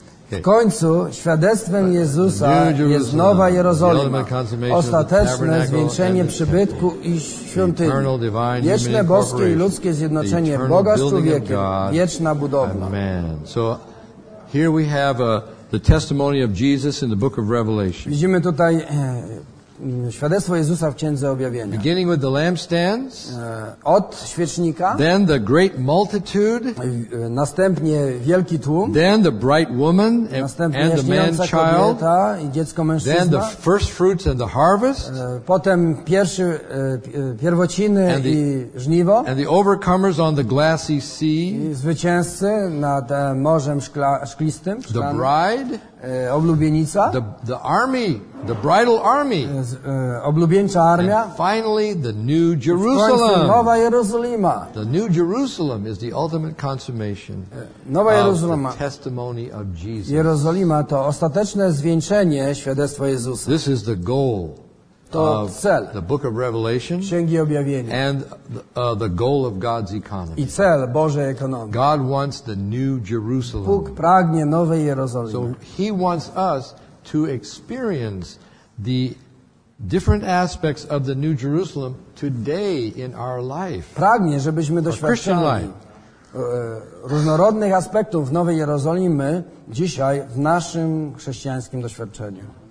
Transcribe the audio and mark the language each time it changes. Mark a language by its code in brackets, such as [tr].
[pl] W końcu świadectwem Jezusa jest nowa Jerozolima, ostateczne zwieńczenie przybytku i świątyni, wieczne boskie i ludzkie zjednoczenie Boga z człowiekiem, wieczna budowla. Amen. [en] So here we have the testimony of Jesus in the book of Revelation. [pl] Widzimy tutaj świadectwo Jezusa w Księdze Objawienia. [en] Beginning with the lampstands, [pl] od świecznika, [en] then the great multitude, [pl] następnie wielki tłum, [en] then the bright woman and the man child, [pl] i dziecko mężczyzna, [en] then the first fruits and the harvest, [pl] potem pierwociny [en] and [pl] i żniwo, [en] and the overcomers on the glassy sea, [pl] zwycięzcy nad morzem szklistym, [en] the bride, [pl] oblubienica, [en] the army, the bridal army, [pl] oblubieńcza armia, [en] and finally the new Jerusalem. [pl] Nowa Jerozolima. [en] The new Jerusalem is the ultimate consummation [pl] Nowa Jerozolima. [en] Of the testimony of Jesus. [pl] Jerozolima to ostateczne zwieńczenie świadectwa Jezusa. [en] This is the goal [pl] to [en] of [pl] cel [en] the book of Revelation [pl] Księgi Objawienia. [en] And the goal of God's economy. [pl] I cel Bożej ekonomii. [en] God wants the new Jerusalem. [pl] Bóg pragnie nowej Jerozolimy. [en] So He wants us to experience the different aspects of the new Jerusalem today in our life. [pl] Pragnie, żebyśmy doświadczali różnorodnych aspektów nowej Jerozolimy dzisiaj w naszym chrześcijańskim doświadczeniu.